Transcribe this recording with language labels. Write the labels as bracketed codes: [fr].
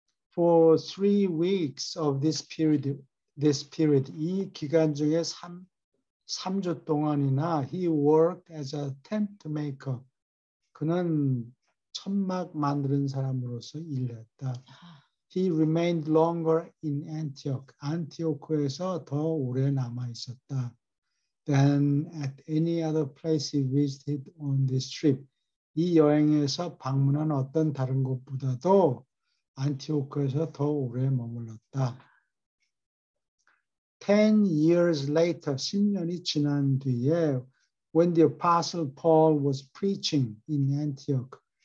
[en] For 3 weeks of this period, [ko] 이 기간 중에 3주 동안이나 [en] he worked as a tent maker. [ko] 그는 천막 만드는 사람으로서 일했다. [en] He remained longer in Antioch. [ko] 안티오크에서 더 오래 남아 있었다. [en] Than at any other place he visited on this trip. [ko] 이 여행에서 방문한 어떤 다른 곳보다도 안티오크에서 더 오래 머물렀다. [en] 10 years later, [ko] 10년이 지난 뒤에 [en] when the apostle Paul was preaching in Antioch.